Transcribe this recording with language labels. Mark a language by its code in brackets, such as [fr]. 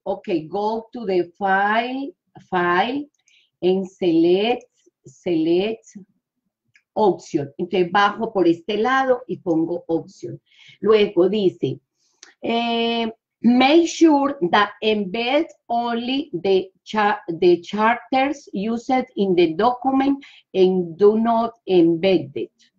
[en] Ok, go to the file, and select option. [es] Entonces bajo por este lado y pongo option. Luego dice, [en] make sure that embed only the charters used in the document and do not embed it.